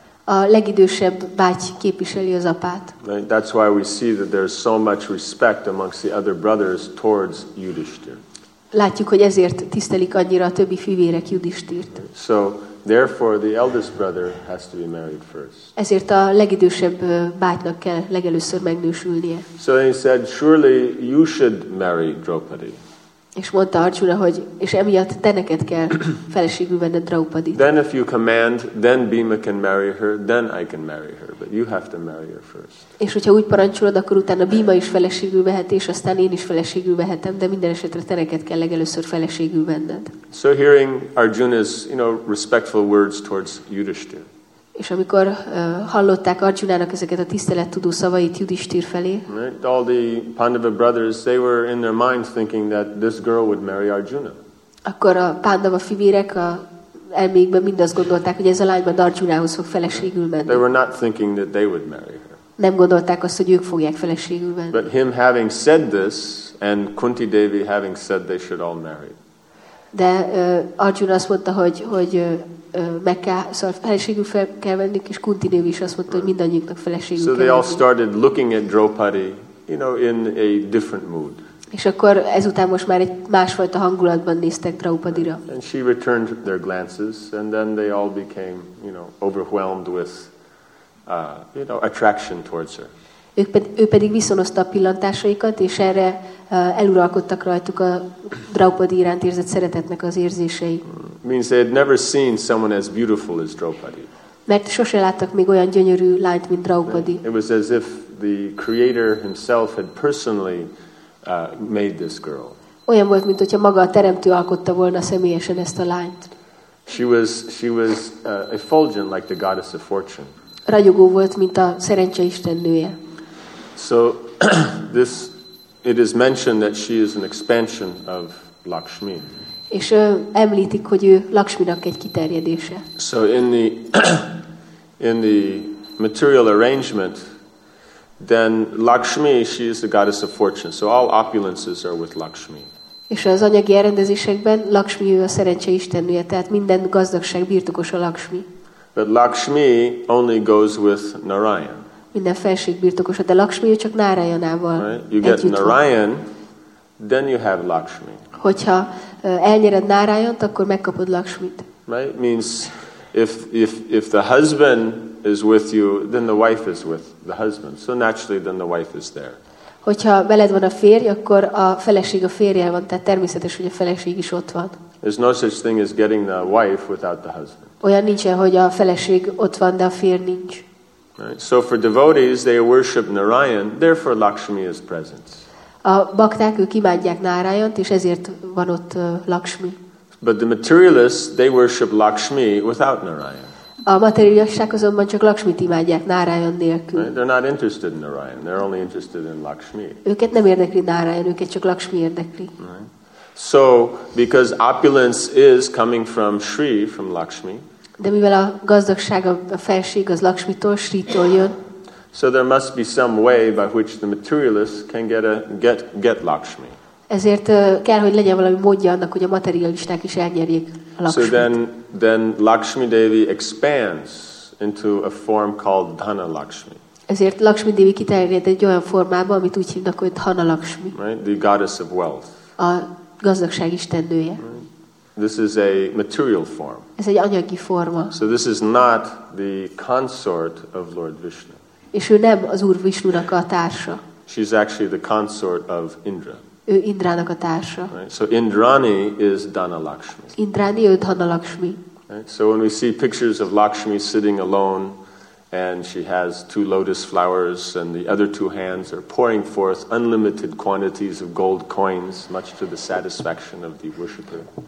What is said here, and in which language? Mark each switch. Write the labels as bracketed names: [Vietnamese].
[Hungarian] A legidősebb báty képviseli az apát. [English] Right? That's why we see that there's so much respect amongst the other brothers towards Yudhishthir. [Hungarian] Látjuk, hogy ezért tisztelik annyira a többi fivérek Yudhishthirt. [English] So therefore the eldest brother has to be married first. [Hungarian] Ezért a legidősebb bátynak kell legelőször megnősülnie. [English] So he said, surely you should marry Draupadi. [Hungarian] És mondta Arjuna, hogy és emiatt te neked kell feleségül venned Draupadit. [English] Then if you command, then Bhima can marry her, then I can marry her, but you have to marry her first. [Hungarian] És hogyha úgy parancsolod, akkor utána Bhima is feleségül vehet, és aztán én is feleségül vehetem, de minden esetre te neked kell legelőször feleségül venned. [English] So hearing Arjuna's, you know, respectful words towards Yudhishthir. [Hungarian] És amikor hallották Arjunának ezeket a tisztelettudó szavait Yudhishthir felé. [English] Right? All the Pandava brothers, they were in their minds thinking that this girl would marry Arjuna. [Hungarian] Akkor a Pandava fivérek a elmékben mind azt gondolták, hogy ez a lány majd Arjunához fog feleségül menni. [English] They were not thinking that they would marry her. [Hungarian] Nem gondolták azt, hogy ők fogják feleségül venni. [English] But him having said this, and Kunti Devi having said they should all marry. [Hungarian] De Arjuna azt mondta, hogy meg kell, szóval feleségül fel kell venni, és Kunti Devi is azt mondta, hogy mindannyiunknak feleségül kell. [English] So they all started looking at Draupadi, you know, in a different mood. [Hungarian] És akkor ezután most már egy másfajta hangulatban néztek Draupadira. [English] And she returned their glances, and then they all became, you know, overwhelmed with, you know, attraction towards her. [Hungarian] Ő pedig viszonozta a pillantásaikat, és erre eluralkodtak rajtuk a Draupadi iránt érzett szeretetnek az érzései. [English] Means they had never seen someone as beautiful as Draupadi. [Hungarian] Mert sose láttak még olyan gyönyörű lányt, mint Draupadi. [English] It was as if the creator himself had personally made this girl. [Hungarian] Olyan volt, mint hogyha maga a teremtő alkotta volna személyesen ezt a lányt. [English] She was effulgent like the goddess of fortune. [Hungarian] Ragyogó volt, mint a szerencse istennője. [English] So this, it is mentioned that she is an expansion of Lakshmi. [Hungarian] És említik, hogy ő Lakshminak egy kiterjedése. [English] So in the material arrangement, then Lakshmi, she is the goddess of fortune. So all opulences are with Lakshmi. [Hungarian] És az anyagi elrendezésekben Lakshmi ő a szerencse istennője, tehát minden gazdagság birtokos a Lakshmi. [English] But Lakshmi only goes with Narayan. [Hungarian] Minden felség birtokosa, de Lakshmi ő csak Narayanával. [English] Right? You get Narayan, then you have Lakshmi. [Hungarian] Hogyha elnyered Narayant, akkor megkapod Lakshmit. [English] Right? Means if the husband is with you, then the wife is with the husband. So naturally then the wife is there. [Hungarian] Hogyha veled van a férj, akkor a feleség a férjel van, tehát természetes, hogy a feleség is ott van. [English] There's no such thing as getting the wife without the husband. [Hungarian] Olyan nincsen, hogy a feleség ott van, de a férj nincs. [English] Right. So for devotees, they worship Narayan, therefore Lakshmi is present. [Hungarian] A bakták, ők imádják Narayant, és ezért van ott Lakshmi. [English] But the materialists, they worship Lakshmi without Narayan. [Hungarian] A materialisták azonban csak Lakshmit imádják Narayan nélkül. [English] Right. They're not interested in Narayan, they're only interested in Lakshmi. [Hungarian] Őket nem érdekli Narayan, őket csak Lakshmi érdekli. [English] Right. So, because opulence is coming from Sri, from Lakshmi, [Hungarian] de mivel a gazdagság, a felség az Lakshmitól, Sritól jön. [English] So there must be some way by which the materialist can get Lakshmi. [Hungarian] Ezért kell, hogy legyen valami módja annak, hogy a materialisták is elnyerjék Lakshmit. [English] So then Lakshmi Devi expands into a form called Dhana Lakshmi. [Hungarian] Ezért Lakshmi Devi kiterjed egy olyan formába, amit úgy hívnak, hogy Dhana Lakshmi. [English] Right? The goddess of wealth. [Hungarian] A gazdagság istennője. [English] Right? This is a material form. [Hungarian] Ez egy anyagi forma. [English] So this is not the consort of Lord Vishnu. [Hungarian] És ő nem az Úr Vishnunak a társa. [English] She's actually the consort of Indra. [Hungarian] Ő Indrának a társa. [English] Right? So Indrani is Dhana Lakshmi. [Hungarian] Indrani, ő Dhana Lakshmi. [English] Right? So when we see pictures of Lakshmi sitting alone and she has two lotus flowers and the other two hands are pouring forth unlimited quantities of gold coins, much to the satisfaction of the worshipper.